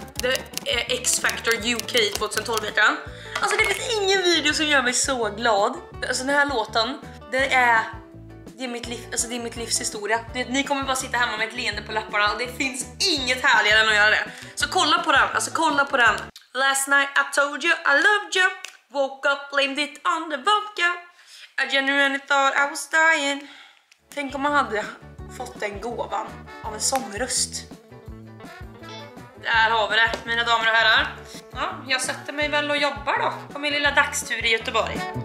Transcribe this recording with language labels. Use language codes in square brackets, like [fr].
[sv] Det är X-Factor UK 2012 heter den. Alltså det finns ingen video som gör mig så glad. Alltså den här låten, det är mitt liv, alltså det är mitt livs historia. Ni kommer bara sitta hemma med ett leende på läpparna och det finns inget härligare än att göra det. Så kolla på den, alltså kolla på den. [en] Last night I told you I loved you. Woke up, blamed it on the vodka. I genuinely thought I was dying. [sv] Tänk om man hade fått en gåvan av en sångröst. Där har vi det, mina damer och herrar. Ja, jag sätter mig väl och jobbar då på min lilla dagstur i Göteborg.